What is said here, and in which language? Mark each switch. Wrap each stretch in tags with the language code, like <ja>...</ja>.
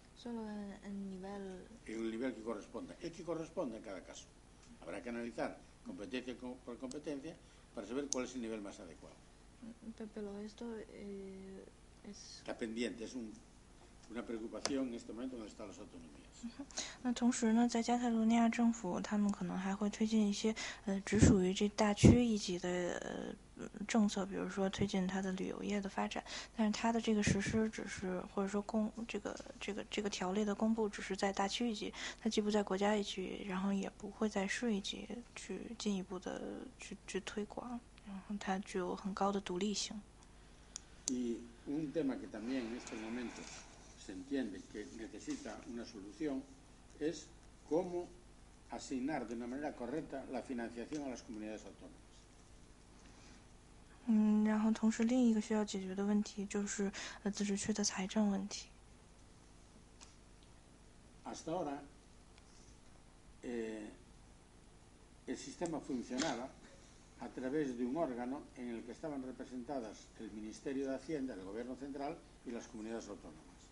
<es>Solo en el nivel que corresponda. El que corresponda en cada caso. Habrá que analizar competencia por competencia para saber cuál es el nivel más adecuado. Pero esto es... Está pendiente, una preocupación en este momento en el Estado de las Autonomías.</es> <zh>那同时呢，在加泰罗尼亚政府，他们可能还会推进一些只属于这大区一级的政策，比如说推进它的旅游业的发展。但是它的这个实施只是，或者说这个条例的公布只是在大区一级，它既不在国家一级，然后也不会在市一级去进一步的去推广，然后它具有很高的独立性。</zh> <es>Y un tema que también en este momento se entiende que necesita una solución es cómo asignar de una manera correcta la financiación a las comunidades autónomas.</es> <zh>然后同时另一个需要解决的问题就是自治区的财政问题。</zh> <es>Hasta ahora, el sistema funcionaba a través de un órgano en el que estaban representadas el Ministerio de Hacienda, el Gobierno Central y las comunidades autónomas.</es>